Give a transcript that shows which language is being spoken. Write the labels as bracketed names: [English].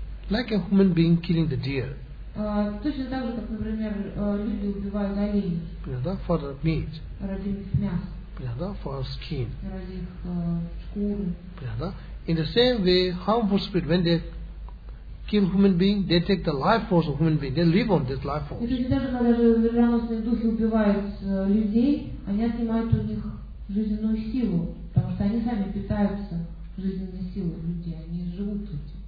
[English] Like a human being killing the deer. [Russian] Точно так же, как, например, люди убивают оленей. [English] Yeah, that for the meat. [Russian] Ради мяса. [English] Yeah, that for skin. [Russian] Ради их шкуры. [English] Yeah, in the same way, harmful spirit, when they kill human being, they take the life force of human being. They live on this life force. [Russian] И точно так же, когда вредоносные духи убивают людей, они отнимают у них жизненную силу, потому что они сами питаются жизненной силой людей, они живут этим.